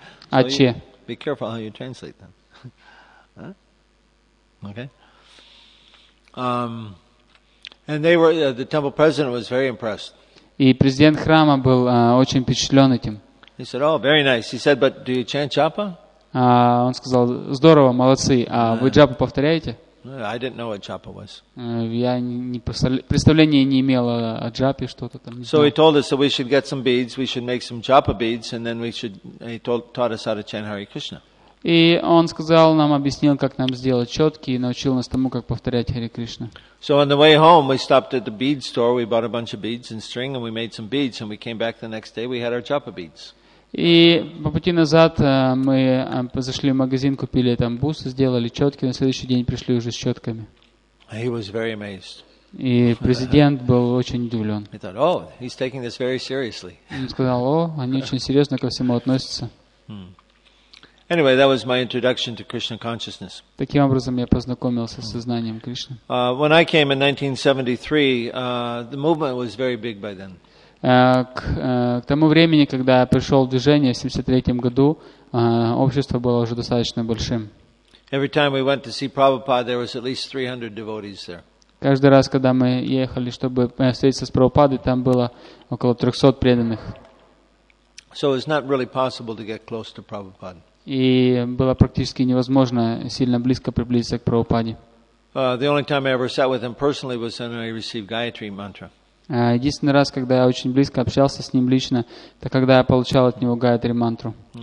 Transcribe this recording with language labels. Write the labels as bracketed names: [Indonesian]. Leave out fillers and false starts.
[Russian] АЧ. [English] Be careful how you translate them. Okay. And they were the temple president was very impressed. [Russian] И президент храма был очень впечатлен этим. [English] He said, "Oh, very nice." He said, "But do you chant japa?" [Russian] Он сказал, "Здорово, молодцы. А вы джапу повторяете?" [English] I didn't know what Joppa was. [Russian] Я не представления не имел о Джаппе, что-то там. [English] So he told us that we should get some beads, we should make some Joppa beads, and then he taught us how to chant Hare Krishna. [Russian] И он сказал нам, объяснил, как нам сделать четки, и научил нас тому, как повторять Hare Krishna. [English] So on the way home, we stopped at the bead store, we bought a bunch of beads and string, and we made some beads, and we came back the next day, we had our Joppa beads. [Russian] И по пути назад мы зашли в магазин, купили там бусы, сделали четки, на следующий день пришли уже с четками. [English] He was very amazed. [Russian] И президент был очень удивлен. [English] He thought, oh, he's taking this very seriously. [Russian] Он сказал, о, они очень серьезно ко всему относятся. [English] Anyway, that was my introduction to Krishna consciousness. [Russian] Таким образом я познакомился с сознанием Кришны. [English] When I came in 1973, the movement was very big by then. [Russian] К тому времени, когда я пришел в движение, в 73-м году, общество было уже достаточно большим. [English] Every time we went to see Prabhupada, there was at least 300 devotees there. [Russian] Каждый раз, когда мы ехали, чтобы встретиться с Прабхупадой, там было около 300 преданных. [English] So it's not really possible to get close to Prabhupada. [Russian] И было практически невозможно сильно близко приблизиться к Прабхупаде. [English] The only time I ever sat with him personally was when I received Gayatri Mantra. [Russian] Единственный раз, когда я очень близко общался с ним лично, это когда я получал от него Гаятри мантру.